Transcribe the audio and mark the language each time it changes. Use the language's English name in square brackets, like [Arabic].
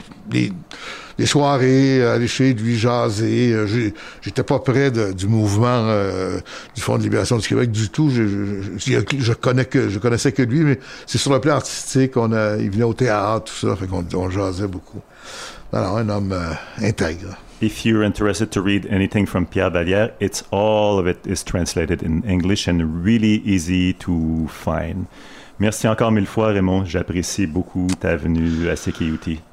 [French] Les soirées, aller chez lui jaser. J'étais pas près du mouvement du Front de libération du Québec du tout. Je connaissais que lui, mais c'est sur le plan artistique. Il venait au théâtre, tout ça. Fait qu'on jasait beaucoup. Alors, un homme intègre. [English] If you're interested to read anything from Pierre Vallière, it's all of it is translated in English and really easy to find. [French] Merci encore mille fois, Raymond. J'apprécie beaucoup ta venue à CKUT.